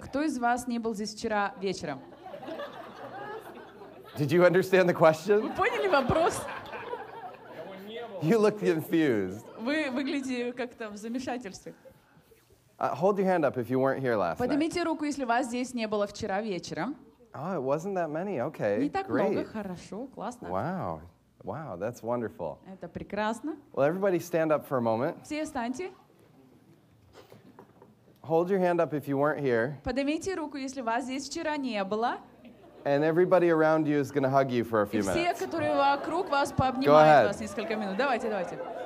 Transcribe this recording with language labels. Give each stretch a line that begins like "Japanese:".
Russian: Кто из вас не был здесь вчера вечером?
English: Did you understand the question?
Russian: Вы поняли вопрос?
English: You look confused.
Russian: Вы выглядите как-то в замешательстве.
English: Hold your hand up if you weren't here last night.
Russian: Поднимите руку, если вас здесь не было вчера вечером.
English: Oh, it wasn't that many. Okay,
Russian: great. Не так много, хорошо, классно.
English: Wow, wow, that's wonderful.
Russian: Это прекрасно.
English: Well, everybody stand up for a moment.
Russian: Все встаньте.
English: Hold your hand up if you weren't here.
Russian: Поднимите руку, если вас здесь вчера не было.
English: And everybody around you is going to hug you for a few minutes.
Russian: И все, которые вокруг вас, пообнимают вас несколько минут. Давайте, давайте.